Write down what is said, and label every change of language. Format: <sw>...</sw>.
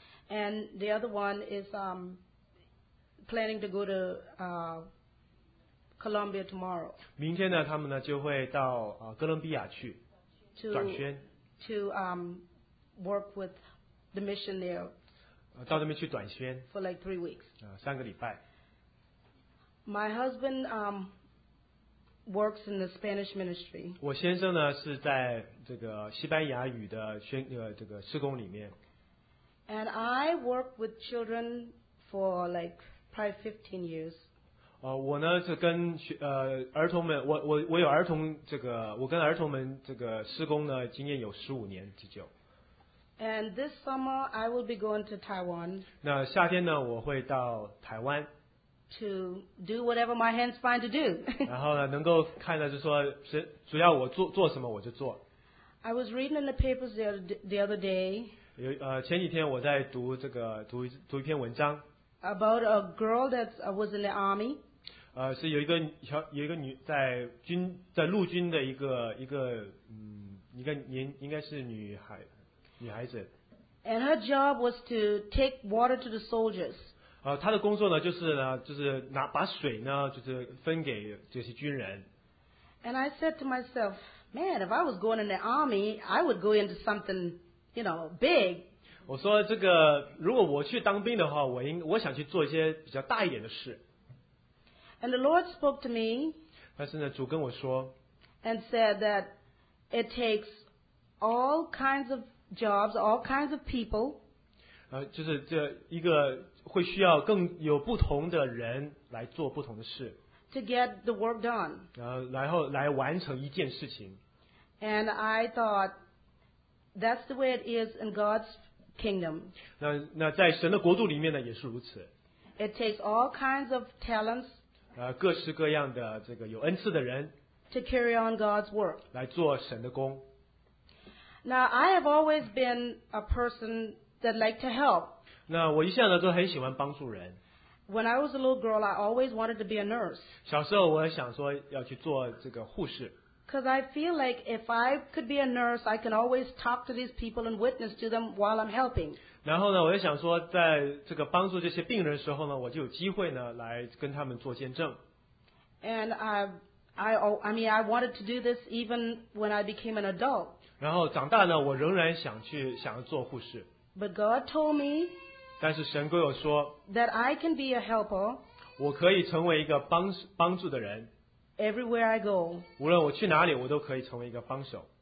<en>And the other one is planning to go to Colombia tomorrow.</en> <zh>明天呢，他们呢就会到哥伦比亚去转宣。</zh> <en>To work with the mission there.</en> <zh>到那边去转宣。</zh> <en>For like 3 weeks.</en> <zh>三个礼拜。</zh> <en>My husband works in the Spanish ministry.</en> <zh>我先生呢是在这个西班牙语的这个事工里面。</zh> <en>And I work with children for like probably 15 years.</en> <zh>我呢是跟儿童们，我有儿童这个，我跟儿童们这个事工呢经验有15年之久。</zh> <en>And this summer I will be going to Taiwan.</en> <zh>那夏天呢我会到台湾。</zh> <en>To do whatever my hands find to do.</en> <zh>然后呢，能够看到就是说，主要我做什么我就做。</zh> <en>I was reading in the papers the other day.</en> <zh>有前几天我在读这个读一篇文章。</zh> <en>About a girl that was in the army.</en> <zh>是有一个女在陆军的一个女孩子。</zh> <en>And her job was to take water to the soldiers.</en> <zh>他的工作呢，就是拿把水呢，就是分给这些军人。</zh> <en>And I said to myself, man, if I was going in the army, I would go into something, you know, big.</en> <zh>我说这个，如果我去当兵的话，我想去做一些比较大一点的事。</zh> <en>And the Lord spoke to me.</en> <zh>但是呢，主跟我说。</zh> <en>And said that it takes all kinds of jobs, all kinds of people.</en> <zh>就是这一个会需要更有不同的人来做不同的事。</zh> <en>To get the work done.</en> <zh>然后来完成一件事情。</zh> <en>And I thought that's the way it is in God's kingdom.</en> <zh>那在神的国度里面呢，也是如此。</zh> <en>It takes all kinds of talents.</en> <zh>各式各样的这个有恩赐的人。</zh> <en>To carry on God's work.</en> <zh>来做神的工。</zh> <en>Now I have always been a person that liked to help.</en> <zh>那我一向呢都很喜欢帮助人。</zh> <en>When I was a little girl, I always wanted to be a nurse.</en> <zh>小时候我想说要去做这个护士。</zh> <en>Because I feel like if I could be a nurse, I can always talk to these people and witness to them while I'm helping.</en> <zh>然后呢，我就想说，在这个帮助这些病人的时候呢，我就有机会呢来跟他们做见证。</zh> <en>And I wanted to do this even when I became an adult.</en> <zh>然后长大呢，我仍然想要做护士。</zh> <en>But God told me.</en> <zh>但是神跟我说。</zh> <en>That I can be a helper.</en> <zh>我可以成为一个帮助的人。</zh> <en>Everywhere I go,</en> <zh>无论我去哪里，我都可以成为一个帮手。</zh>